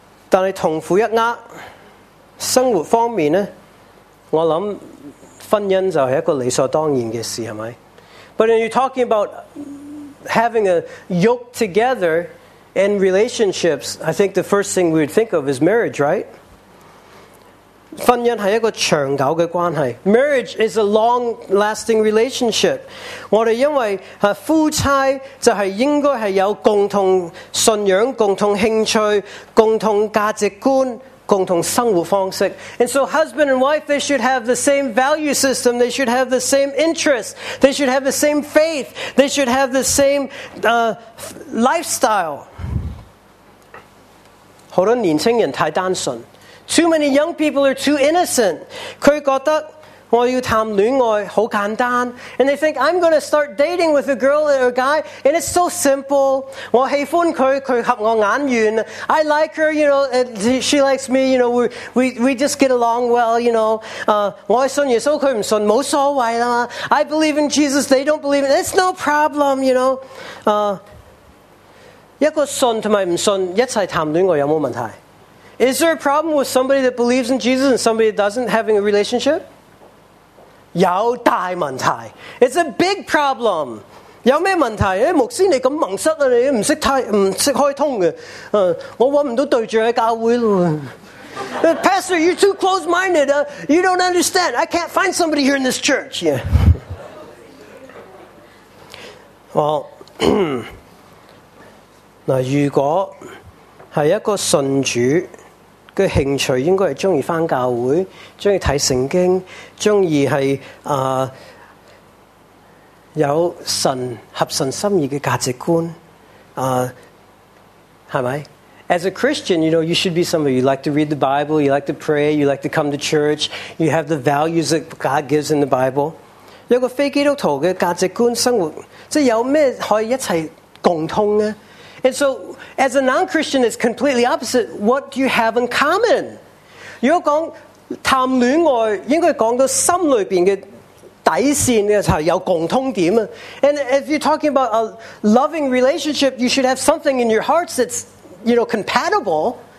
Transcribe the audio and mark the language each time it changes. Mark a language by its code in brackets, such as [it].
[zh] 但是同父一轭生活方面呢，我想婚姻就是一个理所当然的事，是吗？ [en] But when you're talking about having a yoke together in relationships, I think the first thing we'd think of is marriage, right? [zh] 婚姻是一个长久的关系。 [en] Marriage is a long-lasting relationship. [zh] 我们因为夫妻就是应该是有共同信仰、共同兴趣、共同价值观。共同生活方式。 [en] And so husband and wife, they should have the same value system. They should have the same interests. They should have the same faith. They should have the same lifestyle. [zh] 好多年轻人太单纯。 [en] Too many young people are too innocent. [zh] 他觉得我要谈恋爱好简单。 [en] And they think, I'm going to start dating with a girl or a guy, and it's so simple. [zh] 我喜欢她，她合我眼缘。 [en] I like her, you know, she likes me, you know, we just get along well, you know. [zh] 我信耶稣，她不信，没所谓啦。 [en] I believe in Jesus, they don't believe in it. It's no problem, you know. [zh] 一个信和不信一起谈恋爱有没有问题？ [en] Is there a problem with somebody that believes in Jesus and somebody that doesn't having a relationship? [zh] 有大問題。 [en] It's a big problem. [zh] 有什麼問題？牧師你這麼蒙塞，你不懂開通的，我找不到對象在教會。 [en] Pastor, you're too close-minded. You don't understand. I can't find somebody here in this church. Yeah. Well, [zh] 那如果是一個信主，他的兴趣应该是喜欢回教会，喜欢看圣经，喜欢是、有神合神心意的价值观、是吧？ [en] As a Christian, you know, you should be somebody you like to read the Bible, you like to pray, you like to come to church, you have the values that God gives in the Bible. [zh] 有个非基督徒的价值观生活，即有什么可以一起共通呢？ [en] And so, as a non-Christian, it's completely opposite. What do you have in common? [zh] 如果讲谈恋爱，应该讲到心里边嘅底线嘅就系有共通点啊。 [en] And if you're talking about a loving relationship, you should have something in your hearts that's, you know, compatible.